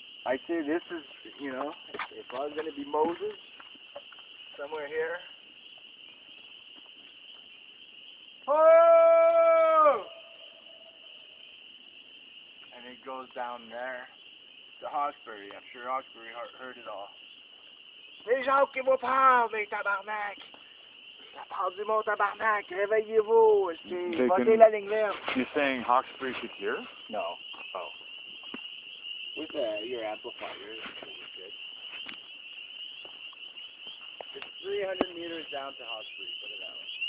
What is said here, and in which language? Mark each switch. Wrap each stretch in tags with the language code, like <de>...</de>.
<en>I say this is, you know, if I was going to be Moses, somewhere here. Oh! And it goes down there to Hawkesbury. I'm sure Hawkesbury heard it all.</en> <fr>Les gens qui vous parlent, mes tabarnak! Ça parle du mot tabarnak! Réveillez-vous! Votez la ligne verte!</fr> <en>You're saying Hawkesbury should hear? No. Oh. With your amplifier, it's really good. It's 300 meters down to Hawkesbury, put it out.</en>